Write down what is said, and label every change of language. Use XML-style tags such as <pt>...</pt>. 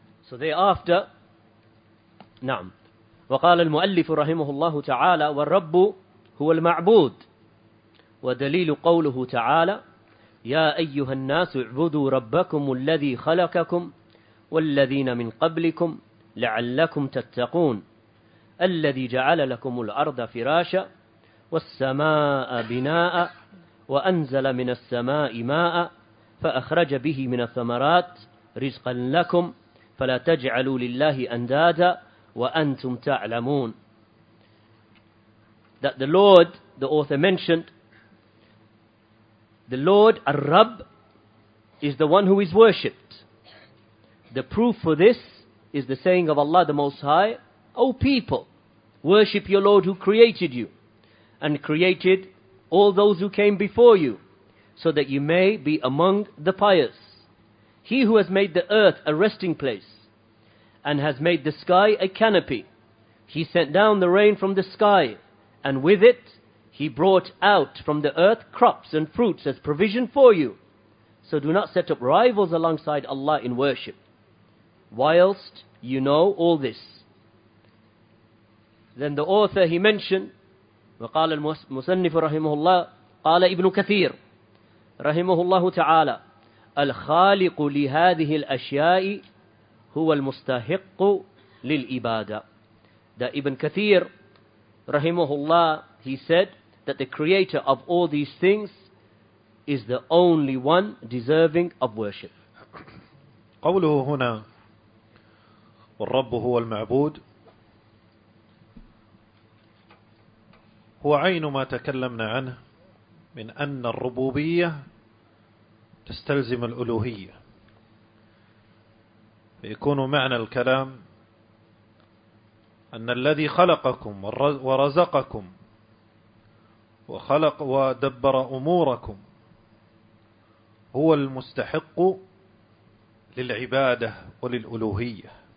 <en>So thereafter,</en> <ar>نعم. وقال المؤلف رحمه الله تعالى والرب هو المعبود ودليل قوله تعالى يا أيها الناس اعبدوا ربكم الذي خلقكم والذين من قبلكم لعلكم تتقون الذي جعل لكم الأرض فراشا والسماء بناء وأنزل من السماء ماء فأخرج به من الثمرات رزقا لكم فلا تجعلوا لله أندادا وأنتم تعلمون.</ar> <en>That the Lord, the author mentioned, the Lord, Ar-Rabb, is the one who is worshipped. The proof for this is the saying of Allah the Most High, O people, worship your Lord who created you and created all those who came before you, so that you may be among the pious. He who has made the earth a resting place and has made the sky a canopy. He sent down the rain from the sky, and with it He brought out from the earth crops and fruits as provision for you. So do not set up rivals alongside Allah in worship, whilst you know all this. Then the author he mentioned,</en> <ar>وقال المصنف رحمه الله قال ابن كثير رحمه الله تعالى الخالق لهذه الأشياء هو المستحق للإبادة.</ar> <en>That Ibn Kathir, rahimahullah, he said that the creator of all these things is the only one deserving of worship.</en> <ar>قوله هنا والرب هو المعبود هو عين ما تكلمنا عنه من أن الربوبية تستلزم الألوهية، فيكون معنى الكلام أن الذي خلقكم ورزقكم وخلق ودبر أموركم هو المستحق للعبادة وللألوهية.</ar>